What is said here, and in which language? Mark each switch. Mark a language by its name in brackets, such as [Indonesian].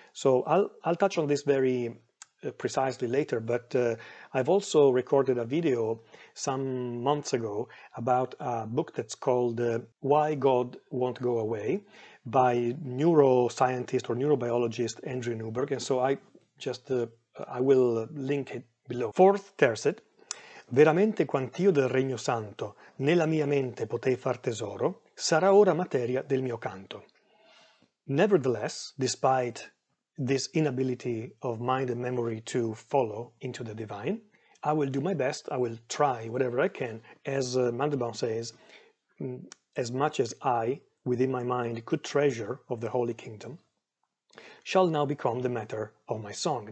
[English] So I'll touch on this very precisely later, but I've also recorded a video some months ago about a book that's called Why God Won't Go Away by neuroscientist or neurobiologist Andrew Newberg, and so I will link it below. Fourth tercet: [Italian] Veramente quant'io del regno santo nella mia mente potei far tesoro, sarà ora materia del mio canto. [English] Nevertheless, despite this inability of mind and memory to follow into the divine, I will do my best, I will try whatever I can, as Mandelbaum says, as much as I, within my mind, could treasure of the Holy Kingdom, shall now become the matter of my song.